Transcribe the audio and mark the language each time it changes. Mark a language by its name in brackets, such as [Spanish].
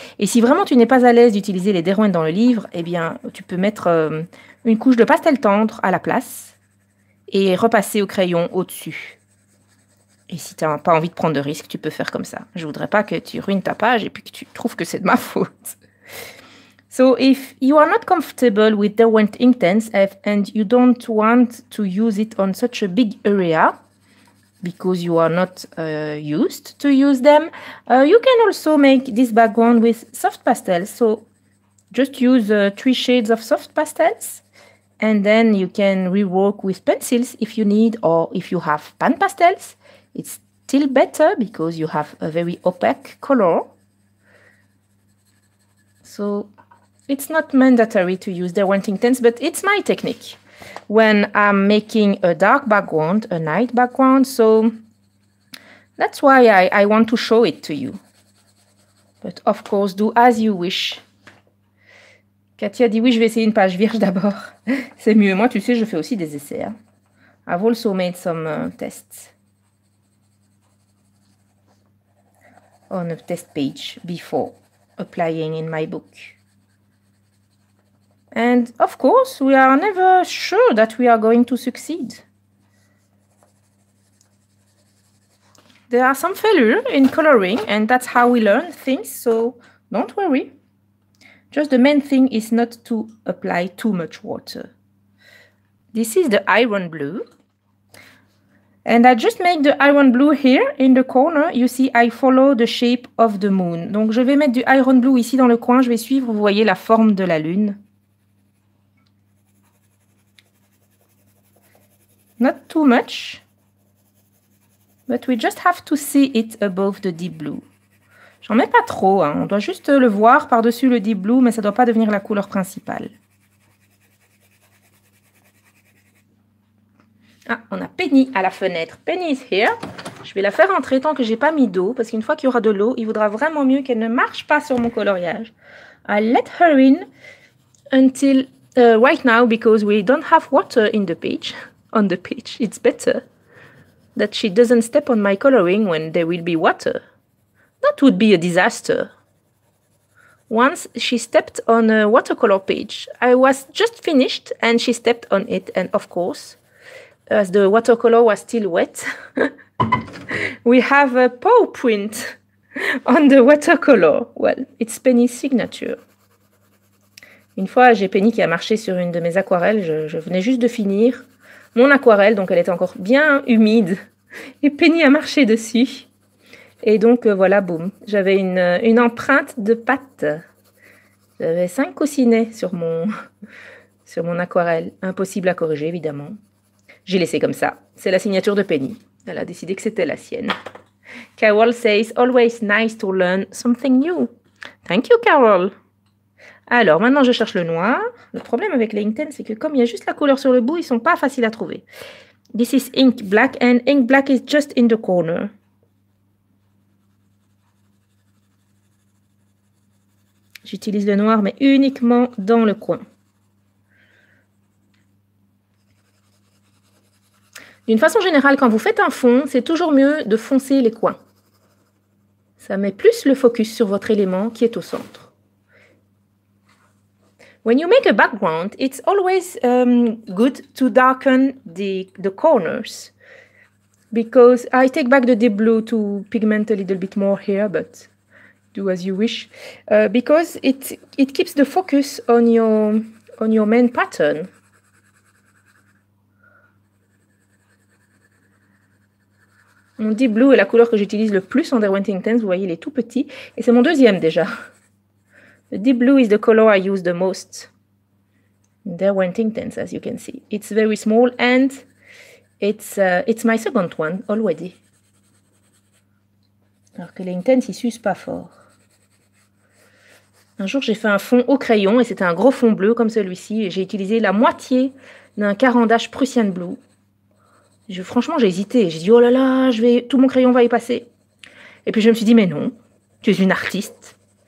[French] Et si vraiment tu n'es pas à l'aise d'utiliser les Derwent dans le livre, eh bien, tu peux mettre une couche de pastel tendre à la place et repasser au crayon au-dessus. Et si tu n'as pas envie de prendre de risques, tu peux faire comme ça. Je ne voudrais pas que tu ruines ta page et puis que tu trouves que c'est de ma faute. [English] So if you are not comfortable with Derwent Inktense and you don't want to use it on such a big area because you are not used to use them, you can also make this background with soft pastels. So just use three shades of soft pastels and then you can rework with pencils if you need, or if you have pan pastels, it's still better because you have a very opaque color. So it's not mandatory to use Derwent Inktense, but it's my technique when I'm making a dark background, a night background. So that's why I want to show it to you. But of course, do as you wish. [French] Katia dit, oui, je vais essayer une page vierge d'abord. C'est mieux. Moi, tu sais, je fais aussi des essais. [English] Hein. I've also made some tests on a test page before applying in my book. And of course, we are never sure that we are going to succeed. There are some failures in coloring, and that's how we learn things, so don't worry. Just the main thing is not to apply too much water. This is the iron blue. And I just make the iron blue here in the corner. You see, I follow the shape of the moon. [French] Donc je vais mettre du iron blue ici dans le coin. Je vais suivre, vous voyez, la forme de la lune. [English] Not too much, but we just have to see it above the deep blue. [French] J'en mets pas trop, hein. On doit juste le voir par-dessus le deep blue, mais ça doit pas devenir la couleur principale. Ah, on a Penny à la fenêtre. [English] Penny is here. [French] Je vais la faire entrer tant que j'ai pas mis d'eau, parce qu'une fois qu'il y aura de l'eau, il vaudra vraiment mieux qu'elle ne marche pas sur mon coloriage. [English] I'll let her in until right now, because we don't have water in the page. On the pitch, it's better that she doesn't step on my coloring when there will be water. That would be a disaster. Once she stepped on a watercolor page, I was just finished and she stepped on it. And of course, as the watercolor was still wet, we have a paw print on the watercolor. Well, it's Penny's signature. [French] Une fois, j'ai Penny qui a marché sur une de mes aquarelles. Je venais juste de finir mon aquarelle, donc elle était encore bien humide Et Penny a marché dessus. Et donc, voilà, boum. J'avais une empreinte de pâte. J'avais 5 coussinets sur mon aquarelle. Impossible à corriger, évidemment. J'ai laissé comme ça. C'est la signature de Penny. Elle a décidé que c'était la sienne. [English] Carol says, always nice to learn something new. Thank you, Carol. [French] Alors, maintenant, je cherche le noir. Le problème avec les inktens, c'est que comme il y a juste la couleur sur le bout, ils ne sont pas faciles à trouver. [English] This is ink black and ink black is just in the corner. [French] J'utilise le noir, mais uniquement dans le coin. D'une façon générale, quand vous faites un fond, c'est toujours mieux de foncer les coins. Ça met plus le focus sur votre élément qui est au centre. [English] When you make a background, it's always good to darken the corners. Because I take back the deep blue to pigment a little bit more here, but do as you wish. Because it keeps the focus on your main pattern. [French] Mon deep blue est la couleur que j'utilise le plus en Derwent Intense. Vous voyez, il est tout petit. Et c'est mon deuxième déjà. [English] The deep blue is the color I use the most. Derwent Intense, as you can see. It's very small and it's my second one already. [French] Alors que les Intense, ils ne s'usent pas fort. Un jour, j'ai fait un fond au crayon et c'était un gros fond bleu comme celui-ci. Et j'ai utilisé la moitié d'un carandage Prussian Blue. Franchement, j'ai hésité. J'ai dit, oh là là, tout mon crayon va y passer. Et puis, je me suis dit, mais non, tu es une artiste.